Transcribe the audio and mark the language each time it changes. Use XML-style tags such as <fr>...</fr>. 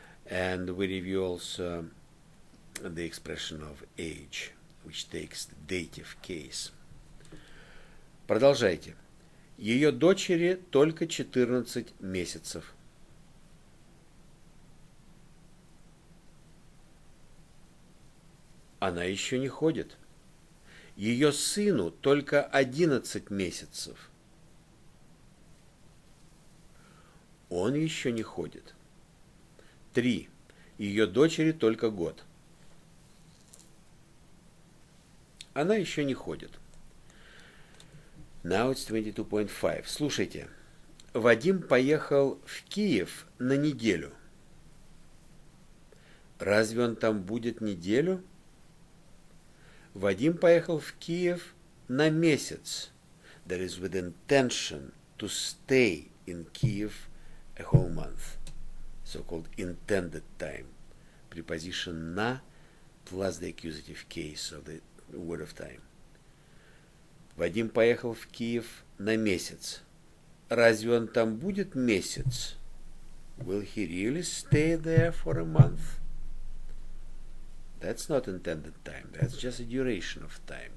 <en>And we review also the expression of age, which takes the dative case.</en> <ru>Продолжайте. Ее дочери только 14 месяцев. Она еще не ходит. Ее сыну только 11 месяцев. Он еще не ходит. Три. Ее дочери только год. Она еще не ходит.</ru> <en>Now it's 22.5.</en> <ru>Слушайте. Вадим поехал в Киев на неделю. Разве он там будет неделю? Вадим поехал в Киев на месяц.</ru> <en>That is with intention to stay in Kyiv a whole month, so-called intended time, preposition na plus the accusative case of the word of time.</en> <ru>Вадим поехал в Киев на месяц. Разве он там будет месяц?</ru> <en>Will he really stay there for a month? That's not intended time, that's just a duration of time.</en>